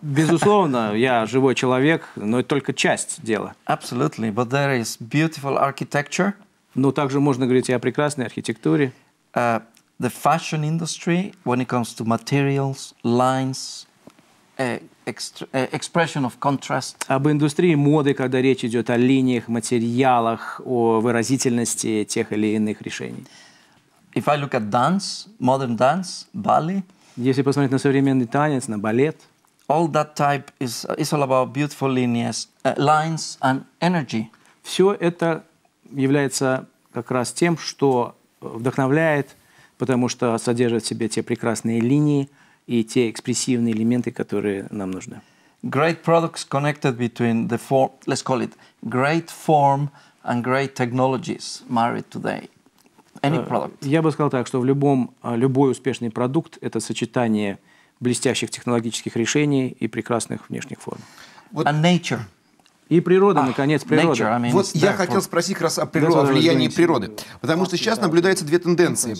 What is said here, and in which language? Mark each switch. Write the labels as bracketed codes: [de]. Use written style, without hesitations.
[ru] Безусловно, я живой человек, но это только часть дела. [en] Absolutely, but there is beautiful architecture. [ru] Но также можно говорить и о прекрасной архитектуре. [en] The fashion industry, when it comes to materials, lines, expression of contrast. [ru] Об индустрии моды, когда речь идет о линиях, материалах, о выразительности тех или иных решений. [en] If I look at dance, modern dance, ballet. [ru] Если посмотреть на современный танец, на балет. [en] All that type is all about beautiful lines, lines and energy. [ru] Все это является как раз тем, что вдохновляет, потому что содержит в себе те прекрасные линии и те экспрессивные элементы, которые нам нужны. [en] Great products connected between the form, let's call it great form and great technologies married today. Any product. [ru] Я бы сказал так, что в любом, любой успешный продукт – это сочетание блестящих технологических решений и прекрасных внешних форм. [en] Вот. And nature. [ru] И природа, наконец, природа. [en] Nature, I mean, [ru] вот я хотел спросить как раз о природе, о влиянии природы. Потому что сейчас наблюдаются две тенденции.